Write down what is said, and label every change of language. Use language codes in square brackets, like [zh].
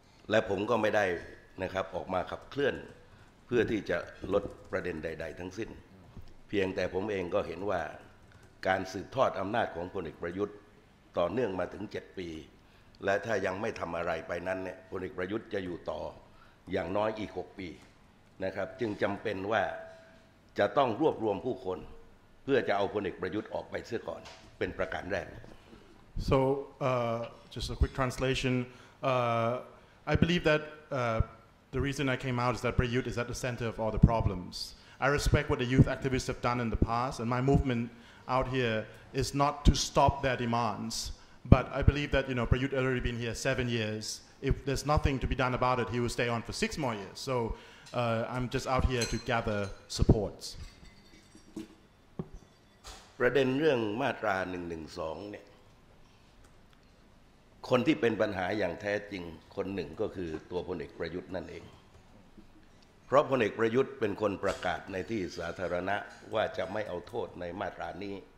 [th] และผมก็ไม่ได้นะครับออกมาขับเคลื่อนเพื่อที่จะลดประเด็นใดๆทั้งสิ้นเพียงแต่ผมเองก็เห็นว่าการสืบทอดอำนาจของพลเอกประยุทธ์ต่อเนื่องมาถึง7ปีและถ้ายังไม่ทำอะไรไปนั้นเนี่ยพลเอกประยุทธ์จะอยู่ต่ออย่างน้อยอีก6ปีนะครับจึงจำเป็นว่าจะต้องรวบรวมผู้คนเพื่อจะเอาพลเอกประยุทธ์ออกไปเสียก่อนเป็นประการแรก [en] so just a quick translation I believe that the reason I came out is that Prayut is at the center of all the problems I respect what the youth activists have done in the past and my movement out here is not to stop their demandsBut I believe that, you know, Prayut had already been here 7 years. If there's nothing to be done about it, he will stay on for 6 more years. So I'm just out here to gather supports. [th] ประเด็นเรื่องมาตรา112เนี่ยคนที่เป็นปัญหาอย่างแท้จริงคนหนึ่งก็คือตัวพลเอกประยุทธ์นั่นเองเพราะพลเอกประยุทธ์เป็นคนประกาศในที่สาธารณะว่าจะไม่เอาโทษในมาตรานี้